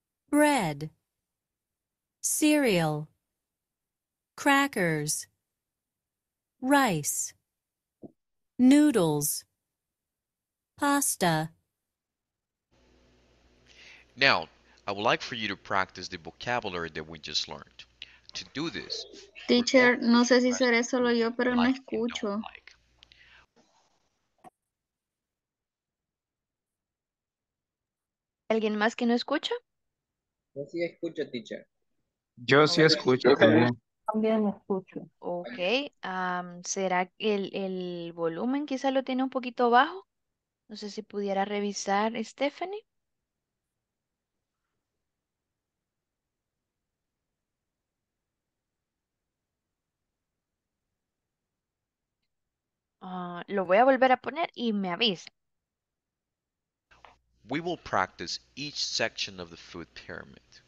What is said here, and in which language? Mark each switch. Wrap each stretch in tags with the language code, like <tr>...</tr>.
<en>bread, cereal. Crackers, rice, noodles, pasta. Now, I would like for you to practice the vocabulary that we just learned. To do this,</en> <es>teacher, no sé si seré solo yo, pero no escucho. ¿Alguien más que no escucha? Yo sí escucho, teacher. Yo sí escucho también. También escucho. Ok, ¿será el volumen quizá lo tiene un poquito bajo? No sé si pudiera revisar, Stephanie. Lo voy a volver a poner y me avisa.</es> <en>We will practice each section of the food pyramid.</en>